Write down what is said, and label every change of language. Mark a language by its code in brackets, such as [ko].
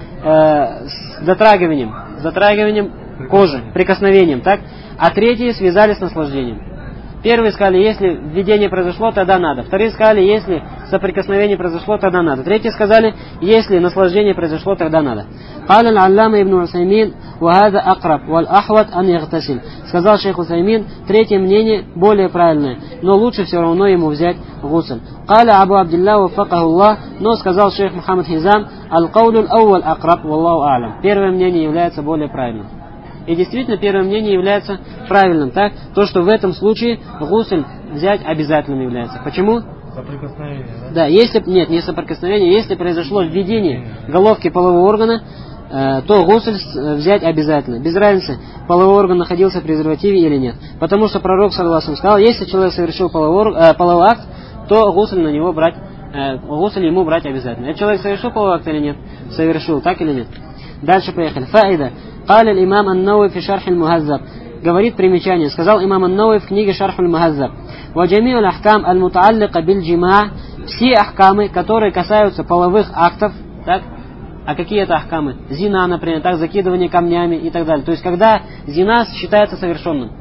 [ru] С затрагиванием кожи, прикосновением, так? А третье связали с наслаждением. Первые сказали, если введение произошло, тогда надо. Вторые сказали, если соприкосновение произошло, тогда надо. Третьи сказали, если наслаждение произошло, тогда надо. [ar] قال العلامة ابن عثيمين وهذا أقرب والأحوط أن يغتسل. [ru] Сказал шейх Усаймин, третье мнение более правильное, но лучше все равно ему взять гусль. [ar] قال أبو عبد الله وفقه الله. [ru] Но сказал шейх Мухаммад Хизам, [ar] القول الأول أقرب والله أعلم. [ru] Первое мнение является более правильным. И действительно, первое мнение является правильным, так? То, что в этом случае гусль взять обязательным является. Почему? Соприкосновение, да? Да, если... Нет, не соприкосновение. Если произошло введение головки полового органа, то гусль взять обязательно. Без разницы, половой орган находился в презервативе или нет. Потому что пророк, согласно, сказал, если человек совершил половой акт, то гусль на него брать, гусль ему брать обязательно. Это человек совершил половой акт или нет? Совершил, так или нет? Дальше поехали. Фаида. [ar] قال الإمام النووي في شرح المهذب. [ru] Говорит примечание. Сказал имам ан-Науи в книге Шарх аль-Мухаззаб. [ar] Ва джамиу аль-ахкам аль-мутааллика биль джимаа. [ru] Все ахкамы, которые касаются половых актов, так? А какие это ахкамы? Зина, например, так, закидывание камнями и так далее. То есть когда зина считается совершенным?